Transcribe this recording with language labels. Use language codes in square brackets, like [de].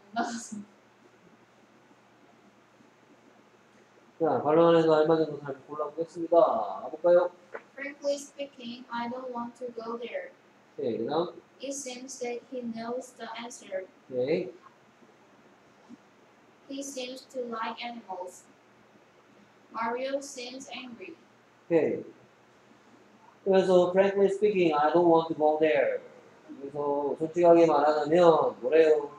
[ko] 나갔어. 자, 발로 안에서 알맞은 곳을 골라보겠습니다. 가볼까요? [en] Frankly speaking, I don't want to go there. [ko] 네, 그 다음? [en] It seems that he knows the answer. [ko] 네. [en] He seems to like animals. Mario seems angry. Okay. 그래서 frankly speaking, I don't want to go there. [ko] 그래서 솔직하게 말하자면 뭐래요?